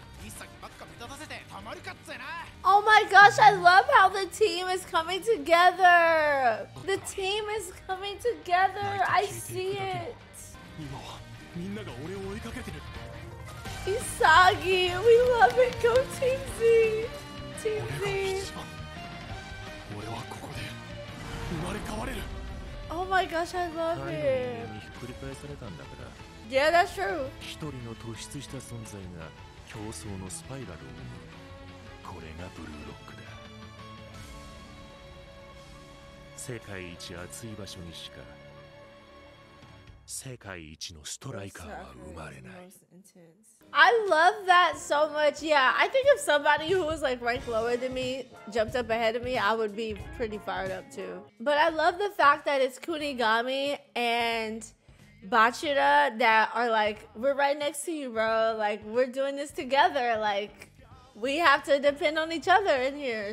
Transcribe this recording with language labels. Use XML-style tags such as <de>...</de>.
<ja>イサギばっか目立たせてたまるかっつーな。</ja> <en>Oh my gosh, I love how the team is coming together. The team is coming together. I see it.</en> <ja>今はみんなが俺を追いかけてる。</ja> <en>ISAGI, we love it. Go Team Z. Team Z.</en> <ja>俺はここで生まれ変われる。</ja> <en>Oh my gosh, I love it.</en> <ja>彼の運命にひっくり返されたんだから。</ja> <en>Yeah, that's true.</en> <ja>一人の突出した存在が競争のスパイラルを生む。これがブルーロックだ。世界一熱い場所にしか世界一のストライカーは生まれない。</ja> <en>I love that so much. Yeah, I think if somebody who was like ranked lower than me jumped up ahead of me, I would be pretty fired up too. But I love the fact that it's Kunigami and Bachira that are like, we're right next to you, bro. Like, we're doing this together. Like, we have to depend on each other in here.</en>